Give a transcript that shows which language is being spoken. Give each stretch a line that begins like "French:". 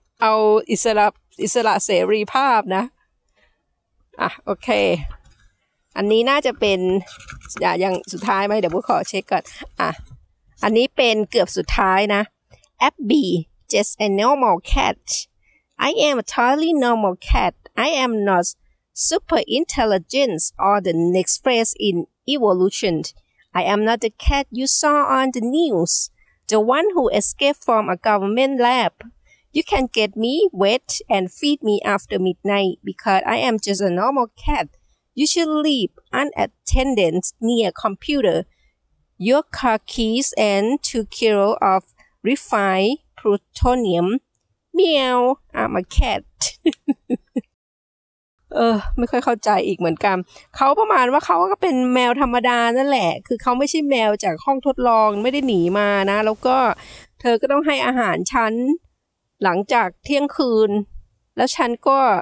Thai: เอาอิสระเสรีภาพนะอ่ะโอเคอันนี้น่าจะเป็นอย่างสุดท้ายไหมเดี๋ยวขอเช็คก่อนอ่ะอันนี้เป็นเกือบสุดท้ายนะ
English: Abby just a normal cat I am a totally normal cat I am not super intelligent or the next phase in evolutionI am not the cat you saw on the news, the one who escaped from a government lab. You can get me wet and feed me after midnight because I am just a normal cat. You should sleep unattended near computer. Your car keys and 2 kilos of refined plutonium. Meow, I'm a cat.
Thai: ไม่ค่อยเข้าใจอีกเหมือนกันเขาประมาณว่าเขาก็เป็นแมวธรรมดานั่นแหละคือเขาไม่ใช่แมวจากห้องทดลองไม่ได้หนีมานะแล้วก็เธอก็ต้องให้อาหารฉันหลังจากเที่ยงคืนแล้วฉันก็